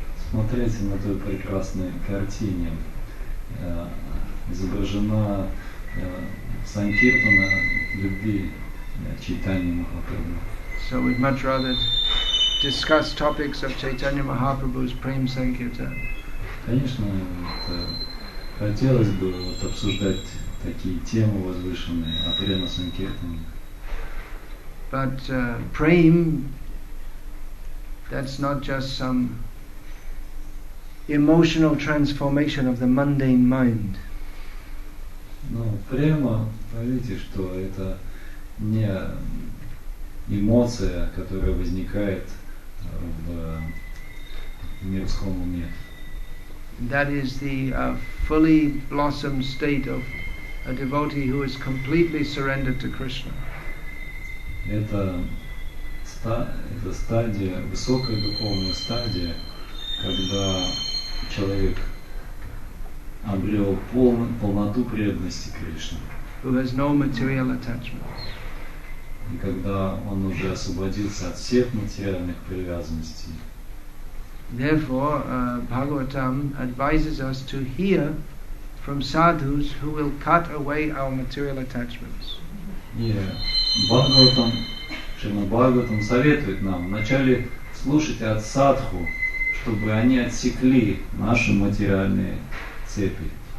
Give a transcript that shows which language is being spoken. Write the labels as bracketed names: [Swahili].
[Russian] Смотрите на той прекрасной картине. Изображена Санкиртана любви Чайтанья Махапрабху. [English] So we'd much rather discuss topics of Chaitanya Mahaprabhu's Prema Sankirtan. [Russian] Конечно, хотелось бы обсуждать такие темы возвышенные о Према Санкиртане. [English] But Prem, that's not just some emotional transformation of the mundane mind. [Russian] Но према, поймите, что это не эмоция, которая возникает в мирском уме. [English] That is the fully blossomed state of a devotee who is completely surrendered to Krishna. [Russian] Это стадия, высокая духовная стадия, когда человек обрел полноту преданности Кришне. [English] Who has no material attachments. [Russian] И когда он уже освободился от всех материальных привязанностей. [English] Therefore, Bhagavatam advises us to hear from sadhus who will cut away our material attachments. [Russian] Бхагаватам, Шримад Бхагаватам советует нам вначале слушать от садху, чтобы они отсекли наши материальные цепи